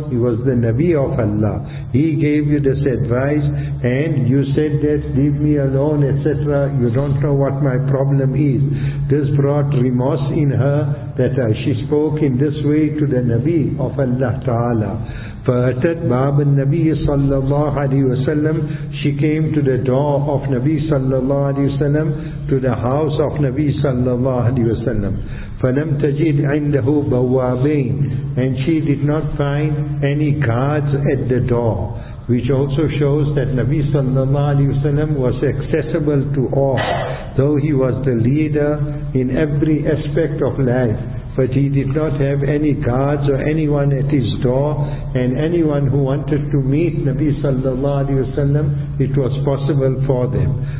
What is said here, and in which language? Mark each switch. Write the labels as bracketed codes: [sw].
[en] He was the Nabi of Allah. He gave you this advice and you said that, leave me alone, etc. You don't know what my problem is. This brought remorse in her that she spoke in this way to the Nabi of Allah Ta'ala. [ar] فَأَتَتْ بَابَ النَّبِي صَلَّى اللَّهُ عَلَيْهِ وَسَلَّمُ, [en] she came to the door of Nabi صَلَّى اللَّهُ عَلَيْهِ وَسَلَّمُ, to the house of Nabi صَلَّى اللَّهُ عَلَيْهِ وَسَلَّمُ. [ar] فَلَمْ تَجِدْ عِنْدَهُ بَوَّابَيْنِ, [en] and she did not find any guards at the door, which also shows that Nabi sallallahu alayhi wa sallam was accessible to all, though he was the leader in every aspect of life, but he did not have any guards or anyone at his door, and anyone who wanted to meet Nabi sallallahu alayhi wa sallam, it was possible for them.